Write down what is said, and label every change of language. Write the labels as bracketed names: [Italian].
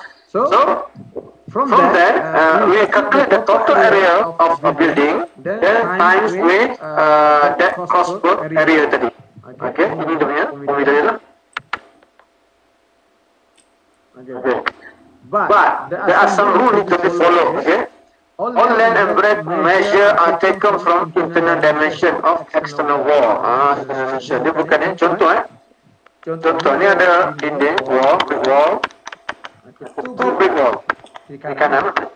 [English] So, from that, we calculate the total area of a building, then times with that cost per area [Malay] tadi. Okay, ini dia punya, pemindah dia lah. [English] Okay. But there are some rules to be followed. Okay, All land and bread measure are taken from internal dimension of external wall. [Malay] Dia bukan eh. Contoh eh. Contoh ni ada dinding, [English] wall, brick wall. Two brick wall. [Malay] Di kanan.